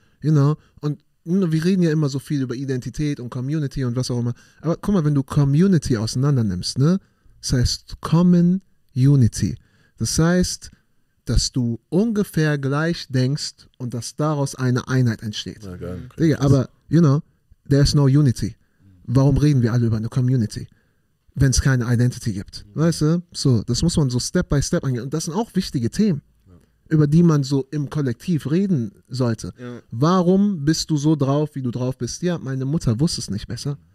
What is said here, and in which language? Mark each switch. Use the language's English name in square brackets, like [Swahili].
[English] You know, [German] und wir reden ja immer so viel über Identität und Community und was auch immer. Aber guck mal, wenn du Community auseinander nimmst, ne? Das heißt Common Unity. Das heißt, dass du ungefähr gleich denkst und dass daraus eine Einheit entsteht. Na, geil, okay. Aber, [English] you know, there is no unity. [German] Warum reden wir alle über eine Community, wenn es keine Identity gibt? Weißt du? So, das muss man so Step by Step angehen. Und das sind auch wichtige Themen, über die man so im Kollektiv reden sollte. Ja. Warum bist du so drauf, wie du drauf bist? Ja, meine Mutter wusste es nicht besser.